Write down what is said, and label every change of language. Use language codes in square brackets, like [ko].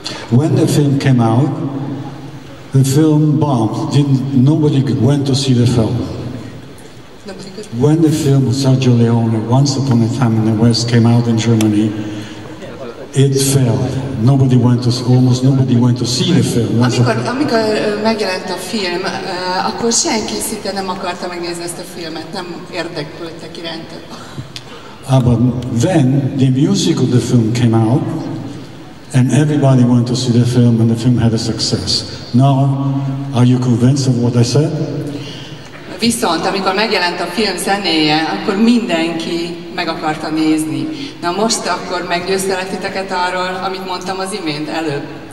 [en] When the film came out, the film bombed. Nobody went to see the film. When the film Sergio Leone, Once Upon a Time in the West, came out in Germany, it failed. Nobody went to, almost nobody went to see the film. [hu] Amikor megjelent a film, akkor senki szinte nem akarta megnézni ezt a filmet, nem érdeklődtek iránta. [en] But then the music of the film came out, and everybody went to see the film, and the film had a success. Now, are you convinced of what I said? [hu] Viszont, amikor megjelent a film zenéje, akkor mindenki meg akarta nézni. Na most akkor meggyőztelek titeket arról, amit mondtam az imént előbb.